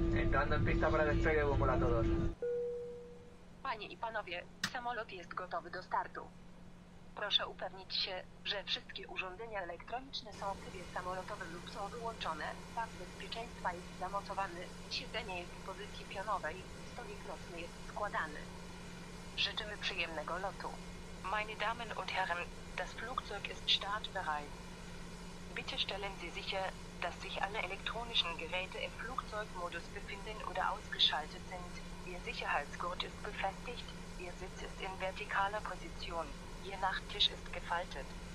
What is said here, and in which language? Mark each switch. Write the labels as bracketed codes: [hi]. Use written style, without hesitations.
[es] Dando en pista para despegue, vuelo a todos. [pl] Panie i panowie, samolot jest gotowy do startu. Proszę upewnić się, że wszystkie urządzenia elektroniczne są w trybie samolotowym lub są wyłączone. Pas bezpieczeństwa jest zamocowany, siedzenie jest w pozycji pionowej, stolik nocny jest składany. Życzymy przyjemnego lotu. [de] Meine Damen und Herren, das Flugzeug ist startbereit. Bitte stellen Sie sicher, dass sich alle elektronischen Geräte im Flugzeugmodus befinden oder ausgeschaltet sind. Ihr Sicherheitsgurt ist befestigt, Ihr Sitz ist in vertikaler Position, Ihr Nachttisch ist gefaltet.